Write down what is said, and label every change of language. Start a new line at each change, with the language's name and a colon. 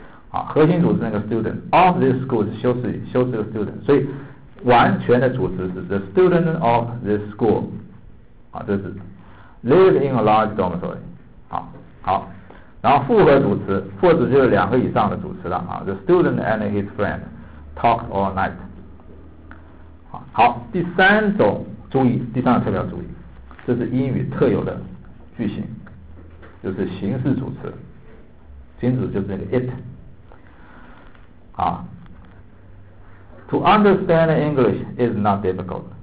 Chinese: 好，核心主词那个 student of this school 是修饰语，修饰的 student， 所以完全的主词是
English: the student of this school。
Chinese: 好，这是
English: live in a large dormitory。
Chinese: 好，然后复合主词，复合主词就是两个以上的主词了啊。
English: The student and his friend talked all night。
Chinese: 好，第三种注意，第三种特别要注意，这是英语特有的句型。就是形式主词，形式就是那个 it 啊。
English: To understand English is not difficult。